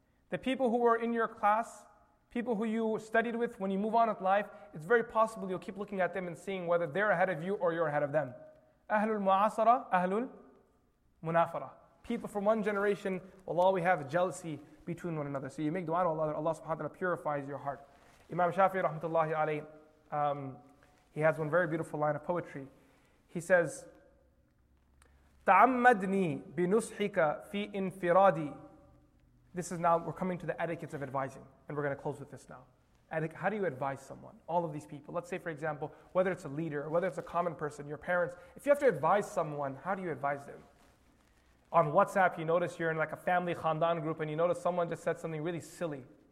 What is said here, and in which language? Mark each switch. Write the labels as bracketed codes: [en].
[en] The people who were in your class, people who you studied with, when you move on with life, it's very possible you'll keep looking at them and seeing whether they're ahead of you or you're ahead of them. Ahlul Mu'asara, Ahlul Munafara. People from one generation will always have jealousy between one another. So you make dua to Allah, Allah subhanahu wa ta'ala purifies your heart. Imam Shafi'i rahmatullahi alayhi, he has one very beautiful line of poetry. He says, [ar] تَعَمَّدْنِي بِنُصْحِكَ فِي إِنْفِرَادِي. [en] This is now, we're coming to the etiquettes of advising. And we're going to close with this now. How do you advise someone? All of these people. Let's say, for example, whether it's a leader, or whether it's a common person, your parents. If you have to advise someone, how do you advise them? On WhatsApp, you notice you're in like a family khandan group, and you notice someone just said something really silly.